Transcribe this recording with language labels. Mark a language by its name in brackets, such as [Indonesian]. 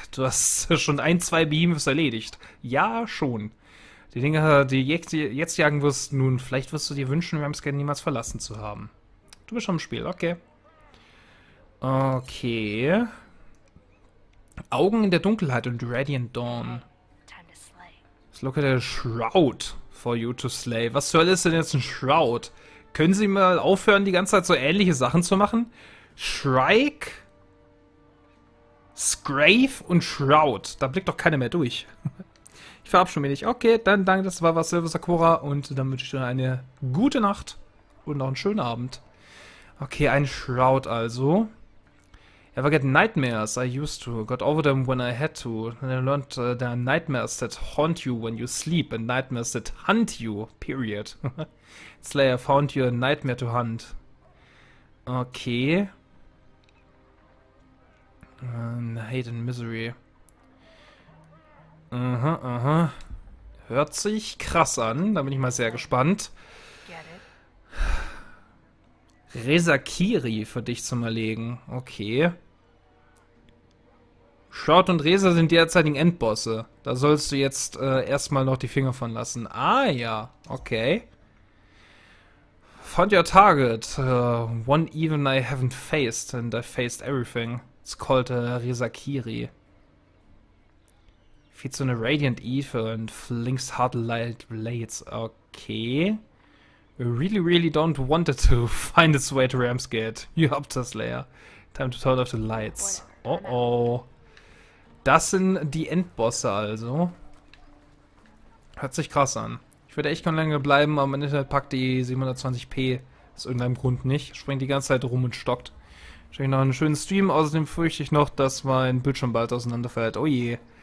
[German] Du hast schon ein, zwei Behemoths erledigt. Ja, schon. Die Dinger, die du jetzt jagen wirst, nun, vielleicht wirst du dir wünschen, Wyrmskene niemals verlassen zu haben. Du bist schon im Spiel, okay. Okay. Augen in der Dunkelheit und Radiant Dawn. [English] Look at a Shroud for you to slay. [German] Was zur Hölle ist denn jetzt ein Shroud? Können Sie mal aufhören, die ganze Zeit so ähnliche Sachen zu machen? Shrike, Scrave und Shroud. Da blickt doch keiner mehr durch. Ich verabschiede mich nicht. Okay, dann danke, das war was, Silver Sakura. Und dann wünsche ich dir eine gute Nacht und noch einen schönen Abend. Okay, ein Shroud also. [English] Ever get nightmares? I used to. Got over them when I had to. And I learned there are nightmares that haunt you when you sleep and nightmares that hunt you. Period. Slayer found you a nightmare to hunt. Okay. Hate and misery. Aha. [German] Hört sich krass an. Da bin ich mal sehr gespannt. Resakiri für dich zum Erlegen. Okay. Shroud und Reza sind die derzeitigen Endbosse. Da sollst du jetzt erstmal noch die Finger von lassen. Ah ja, okay. [English] Found your target. One even I haven't faced and I faced everything. It's called Reza Kiri. Feeds on a radiant ether and flings hard light blades. Okay. We really, really don't want it to find its way to Ramsgate. You helped us, Leia. Time to turn off the lights. Oh oh. [German] Das sind die Endbosse also. Hört sich krass an. Ich würde echt gern länger bleiben, aber mein Internet packt die 720p aus irgendeinem Grund nicht. Springt die ganze Zeit rum und stockt. Ich habe noch einen schönen Stream. Außerdem fürchte ich noch, dass mein Bildschirm bald auseinanderfällt. Oh je.